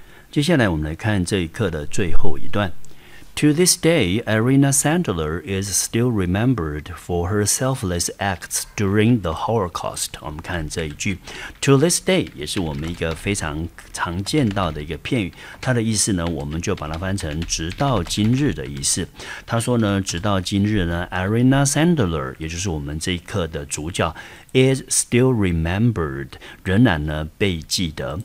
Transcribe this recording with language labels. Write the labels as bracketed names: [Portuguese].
[Chinese] 接下来我们来看这一课的最后一段。 [English] To this day, Irina Sandler is still remembered for her selfless acts during the Holocaust. [Chinese] 我们看这一句 [English] To this day [Chinese] 也是我们一个非常常见到的一个片语，它的意思呢，我们就把它翻成直到今日的意思。他说呢，直到今日呢， Irina Sandler 也就是我们这一课的主角 [English] is still remembered, [Chinese] 仍然呢被记得。